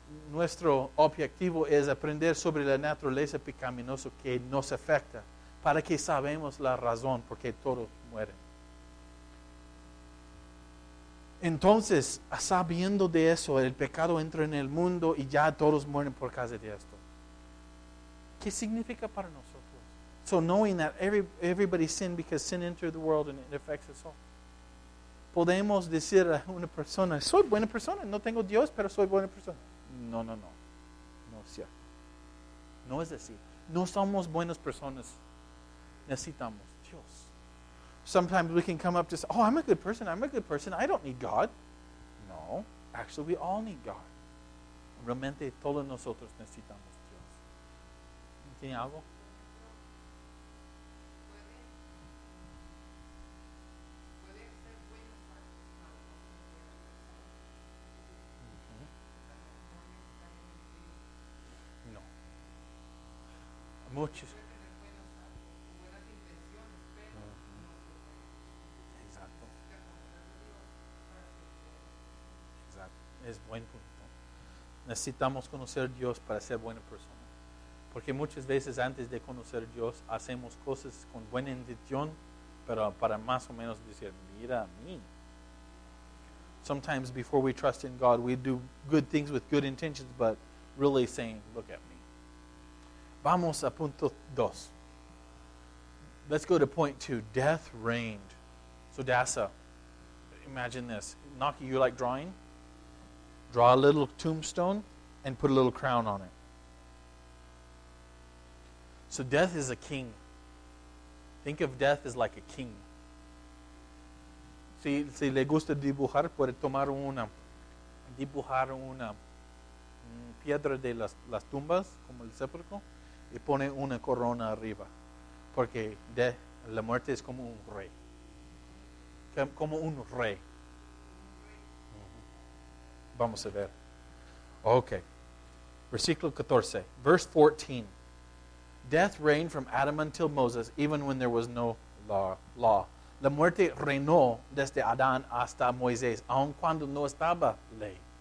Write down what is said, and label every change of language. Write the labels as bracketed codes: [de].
[es] Nuestro objetivo es aprender sobre la naturaleza pecaminosa que nos afecta para que sabemos la razón por qué todos mueren. Entonces, sabiendo de eso, el pecado entra en el mundo y ya todos mueren por causa de esto. ¿Qué significa para nosotros? [en] So knowing that everybody sinned because sin entered the world and it affects us all. [es] Podemos decir a una persona, soy buena persona, no tengo Dios, pero soy buena persona. No. No es cierto. No es así. No somos buenas personas necesitamos Dios. [en] Sometimes we can come up to say, oh, I'm a good person, I'm a good person, I don't need God. No, actually we all need God. [es] Realmente todos nosotros necesitamos Dios. ¿Tiene algo? Muchos. Exacto. Exacto. Es buen punto. Necesitamos conocer a Dios para ser buena persona. Porque muchas veces antes de conocer a Dios, hacemos cosas con buena intención, pero para más o menos decir, mira a mí. [en] Sometimes before we trust in God, we do good things with good intentions, but really saying, look at me. [es] Vamos a punto dos. [en] Let's go to point two. Death reigned. So Dasa, imagine this. Naki, you like drawing? Draw a little tombstone and put a little crown on it. So death is a king. Think of death as like a king. [es] Si le gusta dibujar, puede tomar dibujar una piedra de las tumbas, como el sepulcro. Y pone una corona arriba. Porque la muerte es como un rey. Como un rey. Vamos a ver. Ok. Versículo 14. [en] Verse 14. Death reigned from Adam until Moses, even when there was no law. [es] La muerte reinó desde Adán hasta Moisés, aun cuando no estaba ley.